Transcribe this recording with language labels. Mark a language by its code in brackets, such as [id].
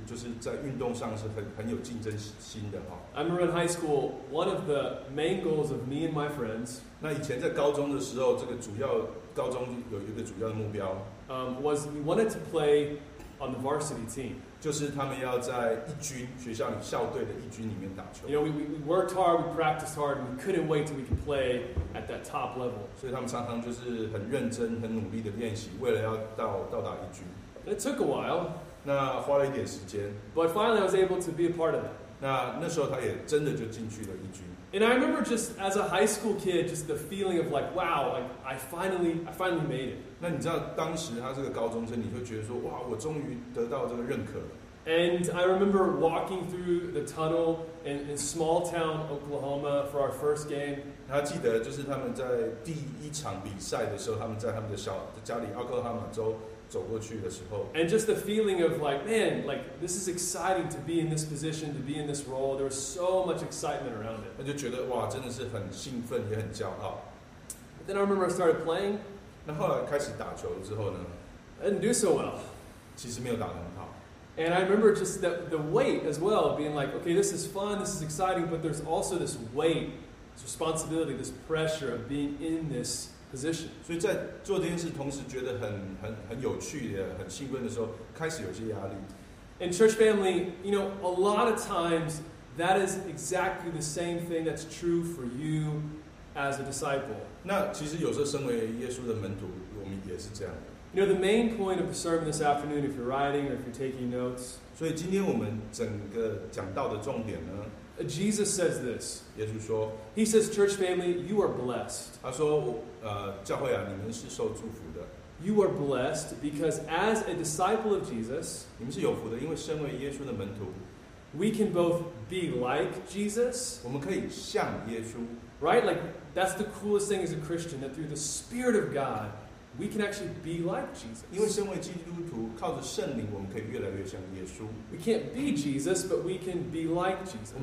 [zh] 那因为Colin他在成长过程,他是就是在运动上是很有竞争心的。 [en] I remember in high school, one of the main goals of me and my friends, [zh] 那以前在高中的时候,这个主要,高中有一个主要的目标, [en] was we wanted to play on the varsity team. [zh] 就是他们要在一军,学校校队的一军里面打球。 [en] You know, we worked hard, we practiced hard, and we couldn't wait till we could play at that top level. [zh] 所以他们常常就是很认真,很努力的练习,为了要到达一军。 [en] It took a while. [zh] 那花了一点时间。 [en] But finally I was able to be a part of it. [zh] 那时候他也真的就进去了一军。 [en] And I remember just as a high school kid, just the feeling of like, wow, like I finally made it. [zh] 那你知道当时他是个高中生，你会觉得说，哇，我终于得到这个认可了。 [en] And I remember walking through the tunnel in small town Oklahoma for our first game. [zh] 他记得就是他们在第一场比赛的时候，他们在他们的小家里奥克拉荷马州走过去的时候。 [en] And just the feeling of like, man, like this is exciting to be in this position, to be in this role. There was so much excitement around it. [zh] 他就觉得哇，真的是很兴奋，也很骄傲。 [en] But then I remember I started playing. [zh] 那后来开始打球之后呢 [en] ？I didn't do so well. [zh] 其实没有打得很好。 [en] And I remember just the weight as well, being like, okay, this is fun, this is exciting, but there's also this weight, this responsibility, this pressure of being in this position. [zh] 所以在做这件事同时觉得很有趣的、很兴奋的时候，开始有些压力。 [en] And church family, you know, a lot of times that is exactly the same thing that's true for you as a disciple. [zh] 那其实有时候身为耶稣的门徒，我们也是这样的。 [en] You know, the main point of the sermon this afternoon, if you're writing or if you're taking notes, [zh] 所以今天我们整个讲到的重点呢, [en] Jesus says this. [zh] 耶稣说, [en] He says, church family, you are blessed. [zh] 他说, 教会啊, 你们是受祝福的。 [en] You are blessed because as a disciple of Jesus, [zh] 你们是有福的, 因为身为耶稣的门徒, [en] we can both be like Jesus. [zh] 我们可以像耶稣。 [en] Right? Like, that's the coolest thing as a Christian, that through the Spirit of God,We can actually be like Jesus. [zh] 因为身为基督徒，靠着圣灵，我们可以越来越像耶稣。 [en] We can't be Jesus, but we can be like Jesus.